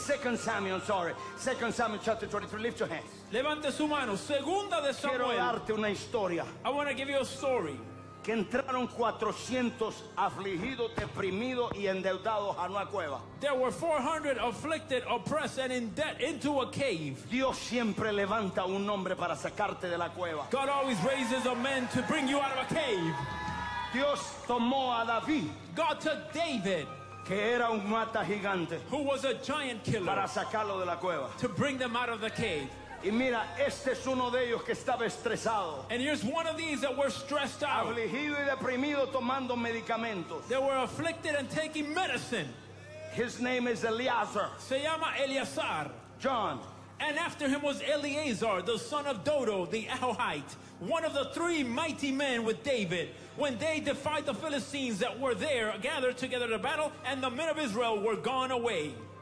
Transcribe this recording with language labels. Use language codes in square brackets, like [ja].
[en] Second Samuel chapter 23. Lift your hands. [es] Levante su mano. Segunda de Samuel. Quiero darte una historia. [en] I want to give you a story. [es] Que entraron 400 afligidos, deprimidos y endeudados a una cueva. [en] There were 400 afflicted, oppressed, and in debt into a cave. [es] Dios siempre levanta un hombre para sacarte de la cueva. [en] God always raises a man to bring you out of a cave. [es] Dios tomó a David. [en] God took David. [es] Que era un mata gigante. [en] Who was a giant killer. [es] Para sacarlo de la cueva. [en] To bring them out of the cave. [es] Y mira, este es uno de ellos que estaba estresado. [en] And here's one of these that were stressed out. [es] Afligido y deprimido tomando medicamentos. [en] They were afflicted and taking medicine. His name is Eleazar. [es] Se llama Eleazar. [en] John. And after him was Eleazar, the son of Dodo, the Ahohite, one of the three mighty men with David, when they defied the Philistines that were there, gathered together to battle, and the men of Israel were gone away.